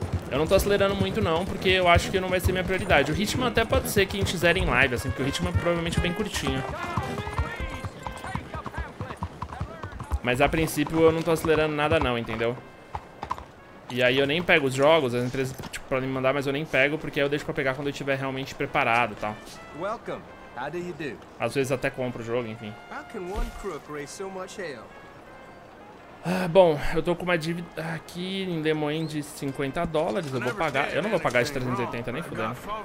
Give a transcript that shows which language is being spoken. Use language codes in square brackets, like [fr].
[pt] Eu não tô acelerando muito, não, porque eu acho que não vai ser minha prioridade. O Hitman até pode ser quem quiser em live, assim, porque o Hitman provavelmente é bem curtinho. Mas a princípio eu não tô acelerando nada não, entendeu? E aí eu nem pego os jogos, as empresas tipo, podem me mandar, mas eu nem pego, porque aí eu deixo pra pegar quando eu estiver realmente preparado e tal. [en] Welcome. How do you do? [pt] Às vezes até compro o jogo, enfim. [en] How can one crook raise so much hell? [pt] Bom, eu tô com uma dívida aqui em Des Moines de $50, eu vou pagar. Eu não vou pagar de 380 nem fudendo.